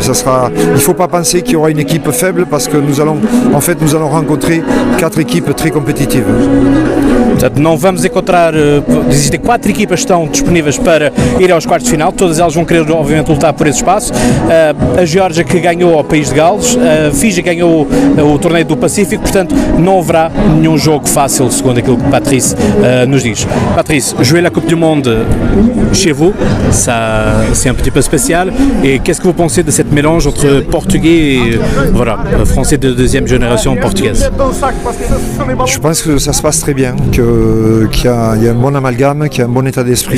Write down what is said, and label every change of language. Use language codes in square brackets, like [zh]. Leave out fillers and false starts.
[fr] Ça sera, il ne faut pas penser qu'il y aura une équipe faible parce que nous allons rencontrer 4 équipes très compétitives. [pt] Portanto, não vamos encontrar, existem 4 equipas que estão disponíveis para ir aos quartos de final, todas elas vão querer obviamente lutar por esse espaço, a Geórgia que ganhou ao País de Gales, a Fiji ganhou o torneio do Pacífico, portanto não haverá nenhum jogo fácil, segundo aquilo que Patrice nos diz. [fr] Patrice, jouer la Coupe du Monde chez vous, ça, c'est un petit peu spécial, et qu'est-ce que vous pensez de cette mélange entre portugais et voilà, français de deuxième génération portugaise? Je pense que ça se passe très bien. Qu'il y a un bon amalgame, qu'il y a un bon état d'esprit.